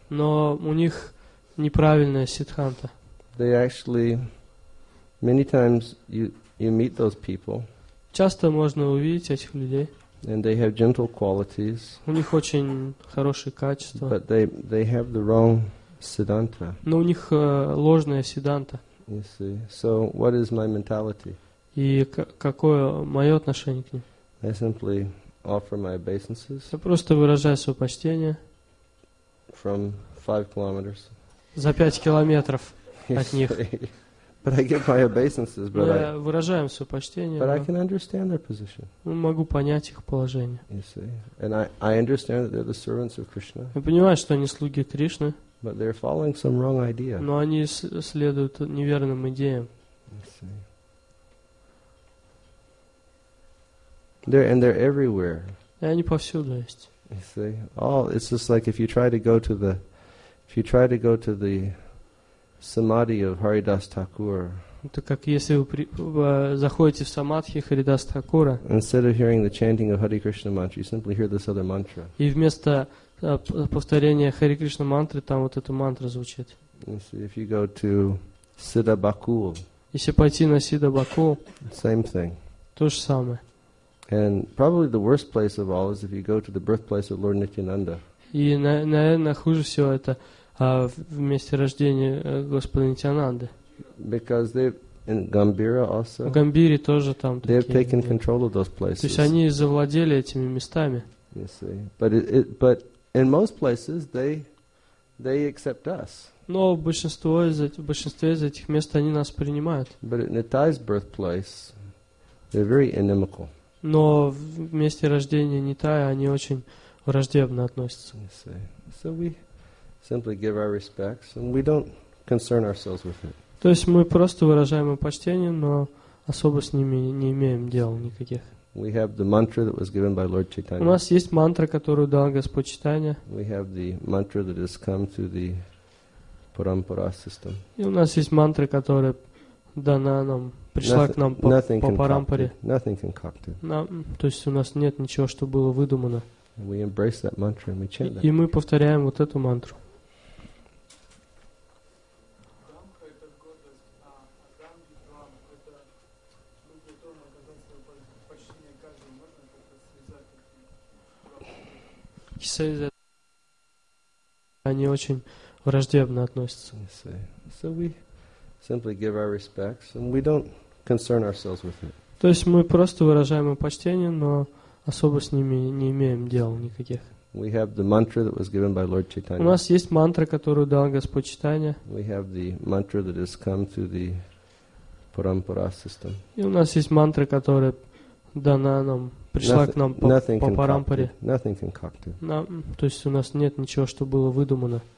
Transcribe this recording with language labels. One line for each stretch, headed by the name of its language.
Russian: Но у них неправильная сиддханта.
English: They actually, many times you meet those people.
Russian: Часто можно увидеть этих людей.
English: And they have gentle qualities.
Russian: У них очень хорошие качества.
English: But they have the wrong siddhanta.
Russian: Но у них ложная сиддханта.
English: You see. So what is my mentality?
Russian: И какое мое отношение к ним?
English: I simply offer my obeisances.
Russian: Я просто выражаю свое почтение.
English: From 5 kilometers.
Russian: За 5 километров от них.
English: But I give my obeisances, but
Russian: я выражаю свое почтение.
English: But I can understand their position.
Russian: Могу понять их положение.
English: You see, and I understand that they're the servants of Krishna.
Russian: Я понимаю, что они слуги Кришны.
English: But they're following some wrong idea.
Russian: Но они следуют неверным идеям.
English: You see. They're everywhere.
Russian: И они повсюду есть.
English: You see, all it's just like if you try to go to the Samadhi of Haridas Thakur.
Russian: Это как если вы заходите в самадхи Харидас Такура.
English: Instead of hearing the chanting of Hare Krishna mantra, you simply hear this other mantra.
Russian: И вместо повторения Хари Кришна мантры там вот эта мантра звучит.
English: If you go to Siddha Bakul.
Russian: Если пойти на Siddha Bakul.
English: Same thing.
Russian: То же самое.
English: And probably the worst place of all is if you go to the birthplace of Lord Nityananda.
Russian: И наверное хуже всего это. В месте рождения Господа Нитянанды.
English: Because they in Gambira also.
Russian: В Гамбире тоже там.
English: They have taken control of those places.
Russian: То есть они завладели этими местами.
English: You see, but in most places they accept us.
Russian: Но в большинстве из этих мест они нас принимают.
English: But in Nitai's birthplace, they're very inimical.
Russian: Но в месте рождения Нитая они очень враждебно относятся.
English: You see, so we simply give our respects, and we don't concern ourselves with it.
Russian: То есть мы просто выражаем им почтение, но особо с ними не имеем дел никаких.
English: We have the mantra that was given by Lord Chaitanya.
Russian: У нас есть мантра, которую дал Господь Чайтанья.
English: We have the mantra that has come through the parampara system.
Russian: И у нас есть мантра, которая дана нам, пришла к нам по парампаре.
English: Nothing concocted.
Russian: То есть у нас нет ничего, что было выдумано.
English: We embrace that mantra and we chant that.
Russian: И мы повторяем вот эту мантру. Они очень враждебно относятся.
English: So we simply give our respects and we don't concern ourselves with it.
Russian: То есть мы просто выражаем им почтение, но особо с ними не имеем дел никаких.
English: We have the mantra that was given by Lord Chaitanya.
Russian: У нас есть мантра, которую дал Господь Чайтанья.
English: We have the mantra that has come through the parampara system.
Russian: И у нас есть мантра, которая дана нам, пришла к нам по парампаре.
English: Nothing concocted.
Russian: То есть у нас нет ничего, что было выдумано.